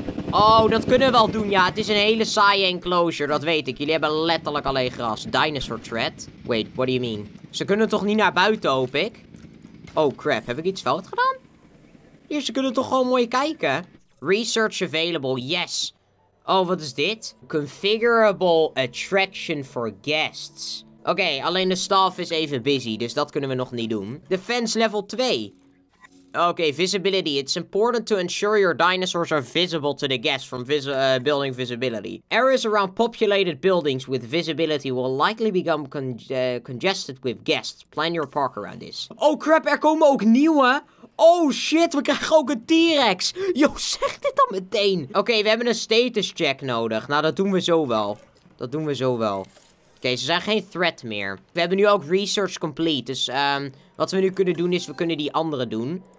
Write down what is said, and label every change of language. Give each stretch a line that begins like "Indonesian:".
Dutch: Oh, dat kunnen we wel doen, ja. Het is een hele saaie enclosure, dat weet ik. Jullie hebben letterlijk alleen gras.
English: Dinosaur threat? Wait, what do you mean?
Dutch: Ze kunnen toch niet naar buiten, hoop ik? Oh, crap. Heb ik iets fout gedaan? Hier, ze kunnen toch gewoon mooi kijken?
English: Research available, yes.
Dutch: Oh, wat is dit?
English: Configurable attraction for guests.
Dutch: Oké, alleen de staff is even busy, dus dat kunnen we nog niet doen.
English: Defense level 2. Oké, visibility. It's important to ensure your dinosaurs are visible to the guests from building visibility. Areas around populated buildings with visibility will likely become congested with guests. Plan your park around this.
Dutch: Oh crap, er komen ook nieuwe. Oh shit, we krijgen ook een T-Rex. Yo, zeg dit dan meteen. Oké, we hebben een status check nodig. Nou, dat doen we zo wel. Dat doen we zo wel. Oké, ze zijn geen threat meer. We hebben nu ook research complete. Dus wat we nu kunnen doen is, we kunnen die andere doen.